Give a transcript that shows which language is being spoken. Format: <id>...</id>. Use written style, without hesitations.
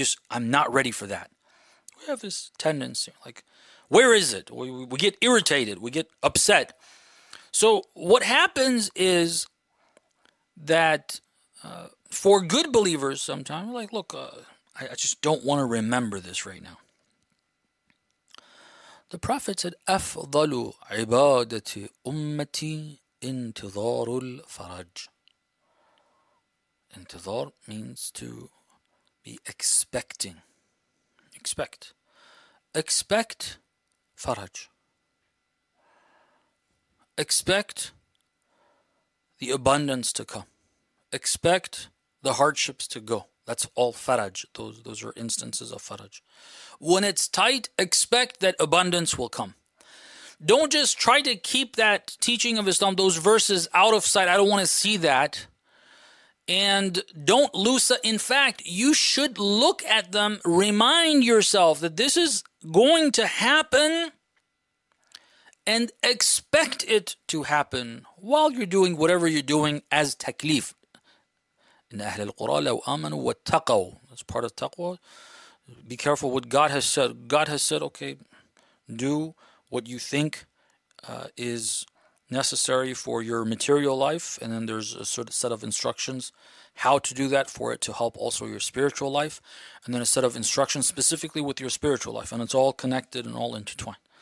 <en>I'm not ready for that. We have this tendency, like, where is it? We get irritated. We get upset. So what happens is that for good believers sometimes, like, look, I just don't want to remember this right now. The Prophet said,</en> <ar>أَفْضَلُ عِبَادَةِ أُمَّتِي انتظارُ الْفَرَجِ.</ar> <en>انتظار means to be expecting. Expect. Expect Faraj. Expect the abundance to come. Expect the hardships to go. That's all faraj. Those are instances of faraj. When it's tight, expect that abundance will come. Don't just try to keep that teaching of Islam, those verses out of sight. I don't want to see that. And don't lose that. In fact, you should look at them, remind yourself that this is going to happen, and expect it to happen while you're doing whatever you're doing as taklif.</en> <ar>In أهل القرى لو آمنوا واتقوا.</ar> <en>That's part of taqwa. Be careful what God has said. God has said, okay, do what you think is necessary for your material life. And then there's a certain set of instructions how to do that for it to help also your spiritual life. And then a set of instructions specifically with your spiritual life. And it's all connected and all intertwined.</en>